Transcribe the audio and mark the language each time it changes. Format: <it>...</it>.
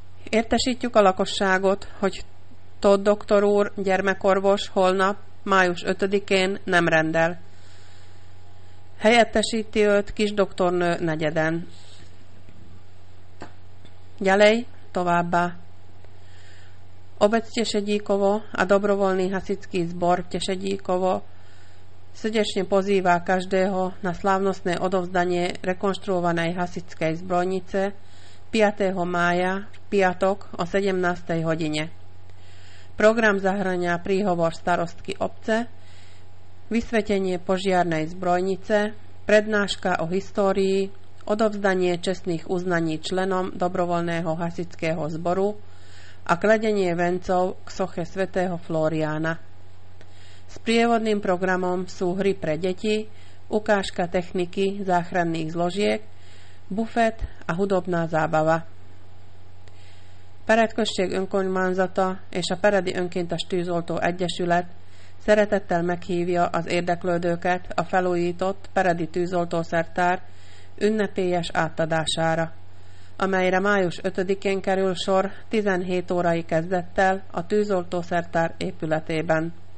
<hu>Értesítjük a lakosságot, hogy Tóth doktor úr gyermekorvos holnap, május 5-én nem rendel. Helyettesíti őt kis doktornő negyeden.</hu> <sk>Ďalej,</sk> <hu>továbbá.</hu> <sk>Obec Tešedíkovo a dobrovoľný hasičský zbor Tešedíkovo srdečne pozýva každého na slávnostné odovzdanie rekonštruovanej hasičskej zbrojnice 5. mája v piatok o 17. hodine. Program zahŕňa príhovor starostky obce, vysvetenie požiarnej zbrojnice, prednáška o histórii, odovzdanie čestných uznaní členom dobrovoľného hasičského zboru a kladenie vencov k soche svätého Floriána. Sprievodným programom sú hry pre deti, ukážka techniky záchranných zložiek, bufet a hudobná zábava.</sk> <hu>Paradkösség önkormányzata és a Paradi Önkéntes Tűzoltó Egyesület szeretettel meghívja az érdeklődőket a felújított Paradi Tűzoltószertár ünnepélyes átadására, amelyre május 5-én kerül sor 17 órai kezdettel a Tűzoltószertár épületében.</hu>